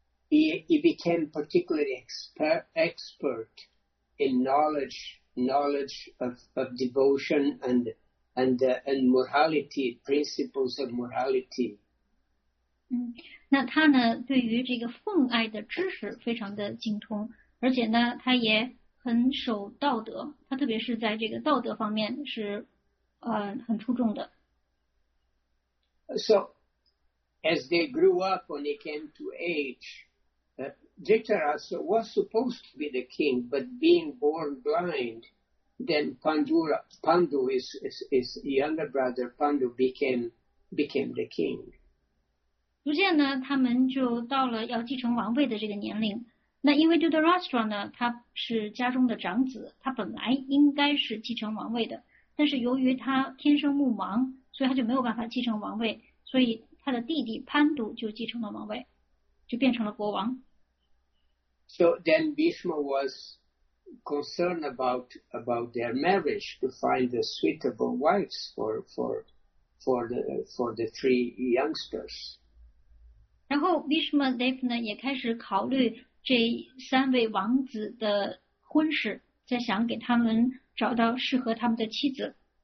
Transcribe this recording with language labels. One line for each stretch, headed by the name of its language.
English: He became particularly expert in knowledge of devotion and morality, principles of morality.
Chinese: 那他呢对于这个奉爱的知识非常的精通，而且呢他也很守道德，他特别是在这个道德方面是很出众的。
English: So, as they grew up when they came to age,Dhritarashtra was supposed to be the king, but being born blind, then Pandu, his younger brother Pandu, became the king.
Chinese: 逐渐呢，他们就到了要继承王位的这个年龄。那因为 Dhritarashtra 呢，他是家中的长子，他本来应该是继承王位的，但是由于他天生目盲，所以他就没有办法继承王位，所以他的弟弟潘都就继承了王位，就变成了国王。
English: So then Bhishma was concerned about their marriage to find the suitable wives for the three youngsters.
Chinese: 然后 Bhishma Dev 呢也开始考虑这三位王子的婚事，在想给他们找到适合他们的妻子。